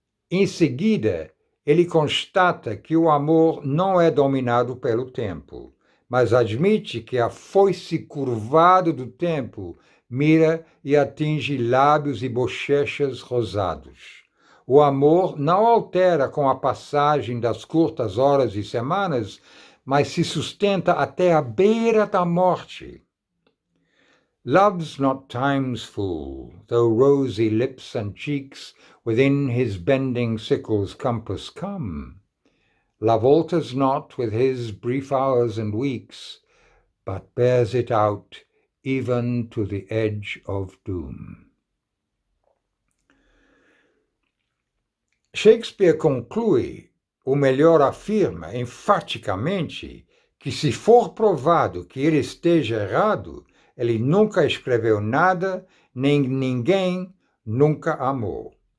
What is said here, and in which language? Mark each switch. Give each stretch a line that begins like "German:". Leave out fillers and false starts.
Portuguese: Em seguida, ele constata que o amor não é dominado pelo tempo, mas admite que a foice curvada do tempo mira e atinge lábios e bochechas rosados. O amor não altera com a passagem das curtas horas e semanas, mas se sustenta até a beira da morte.
English: Love's not time's fool, though rosy lips and cheeks within his bending sickle's compass come. Love alters not with his brief hours and weeks, but bears it out even to the edge of doom.
Portuguese: Shakespeare conclui, ou melhor afirma enfaticamente, que se for provado que ele esteja errado, ele nunca escreveu nada, nem ninguém nunca amou.